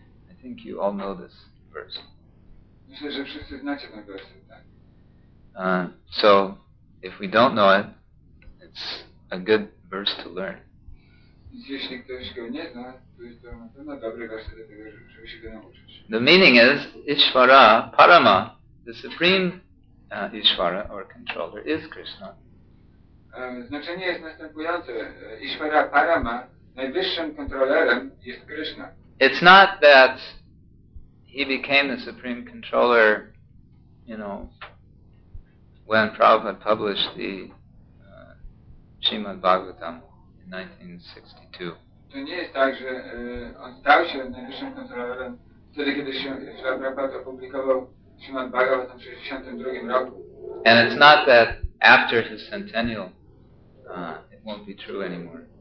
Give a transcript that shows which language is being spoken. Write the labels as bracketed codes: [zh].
[en] I think you all know this verse. [pl] Myślę, że wszyscy znacie ten wers, tak? [en] So if we don't know it, it's a good verse to learn. [pl] Jeśli ktoś go nie zna, to jest to na pewno dobry wers do tego, żeby się go nauczyć. [en] The meaning is Ishvara Parama. The supreme Ishvara or controller is Krishna. [pl] Znaczenie jest następujące. Ishvara Parama, najwyższym kontrolerem jest Krishna. [en] It's not that he became the supreme controller, you know, when Prabhupada published the Srimad Bhagavatam in 1962. [pl] To nie jest tak, że on stał się najwyższym kontrolerem wtedy, kiedy Srimad Prabhupada opublikował Srimad Bhagavatam w 62 roku. [en] And it's not that after his centennial it won't be true anymore.